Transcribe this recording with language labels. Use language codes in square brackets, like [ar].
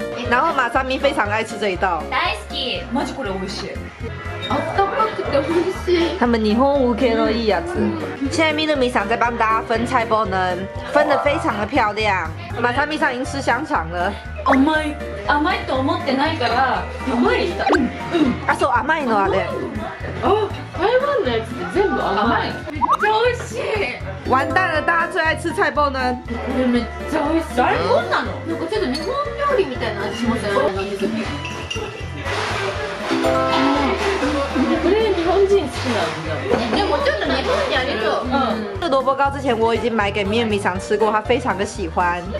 [zh] 然后马萨米非常爱吃这一道。 [ja] 大好き。マジこれ美味しい。あったかくて美味しい。 [zh] 他们 [ja] 日本語系のいいやつ。 [zh] 现在ミルミさん在帮大家分菜包呢，分得非常的漂亮。马萨米さん已经吃香肠了。 [ja] 甘い。甘いと思ってないから。甘い。あ、そう、甘いのあれ。 [zh] 台湾的全部 [ja] 甘い。めっちゃ美味しい。 [zh] 完蛋了，大家最爱吃菜包呢。 [ja] これめっちゃ美味しい。大根なの？なんかちょっと日本料理みたいな味しますよね。これ日本人好きな味だ。でもちょっと日本にありそう。 [zh] 这萝卜糕之前我已经买给みゆみさん吃过，他非常的喜欢。